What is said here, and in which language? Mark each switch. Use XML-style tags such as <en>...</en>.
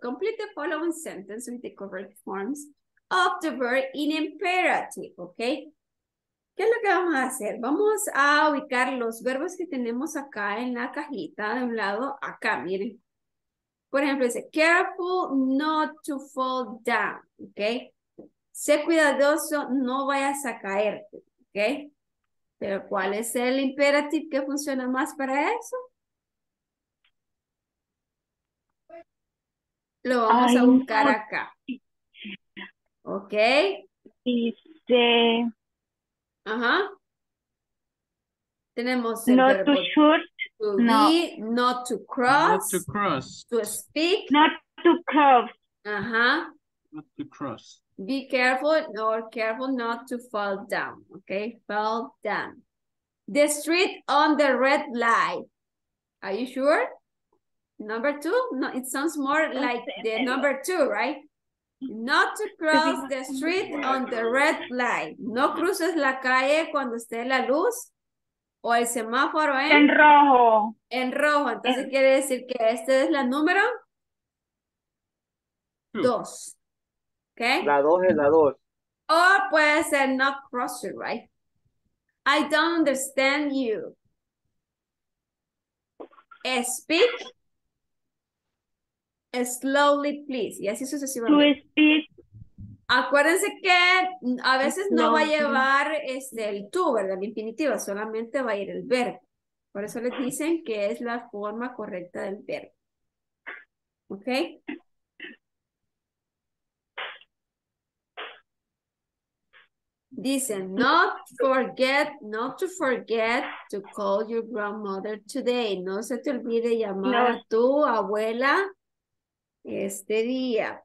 <en>Complete the following sentence with the correct forms of the verb in imperative, ¿ok?</en> <es>¿Qué es lo que vamos a hacer? Vamos a ubicar los verbos que tenemos acá en la cajita de un lado, acá, miren. Por ejemplo, dice, careful not to fall down, ¿ok? Sé cuidadoso, no vayas a caerte, ¿ok? Pero, ¿cuál es el imperative que funciona más para eso? Lo vamos a buscar acá. Okay. Dice. Ajá. Tenemos</es> <en>el not verbo to shoot, to no. Be, not to cross, not to cross, to speak, not to cross. Ajá. Not to cross. Be careful, or careful not to fall down. Okay, fall down. The street on the red light. Are you sure? Number two? No, it sounds more like the number two, right? Not to cross the street on the red light.</en> <es>No cruces la calle cuando esté la luz o el semáforo en rojo. En rojo. Entonces quiere decir que esta es la número dos.</es> <en>¿Okay?</en> <es>La dos es la dos. O puede ser</es> <en>not crossing, right? I don't understand you. Speak slowly, please.</en> <es>Y así sucesivamente.</es> <en>To speak.</en> <es>Acuérdense que a veces no va a llevar el tú, ¿verdad? El infinitivo, solamente va a ir el verbo. Por eso les dicen que es la forma correcta del verbo.</es> <en>¿Ok? Dice, not forget, not to forget to call your grandmother today.</en> <es>No se te olvide llamar a tu abuela este día.</es>